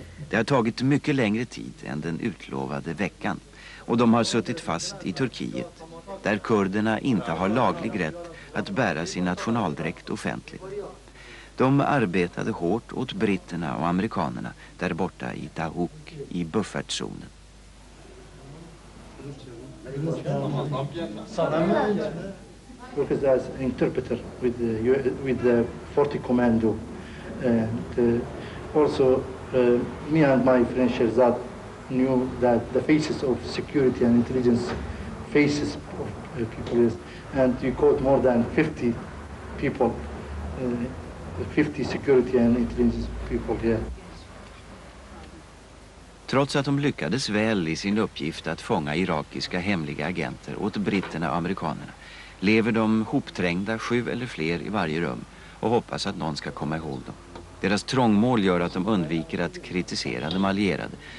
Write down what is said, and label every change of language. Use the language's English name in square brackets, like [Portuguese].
[Swedish] Det har tagit mycket längre tid än den utlovade veckan och de har suttit fast i Turkiet där kurderna inte har laglig rätt att bära sin nationaldräkt offentligt. De arbetade hårt åt britterna och amerikanerna där borta i Tahuk i buffertzonen. [English] Saddam works as interpreter with the, with the 40 commando, and also me and my friend Sherzad knew that the faces of security and intelligence faces of people is, and you caught more than 50 people, 50 security and intelligence people here. [Swedish] Trots att de lyckades väl i sin uppgift att fånga irakiska hemliga agenter åt britterna och amerikanerna lever de hopträngda 7 eller fler i varje rum och hoppas att någon ska komma ihåg dem. Deras trångmål gör att de undviker att kritisera de allierade.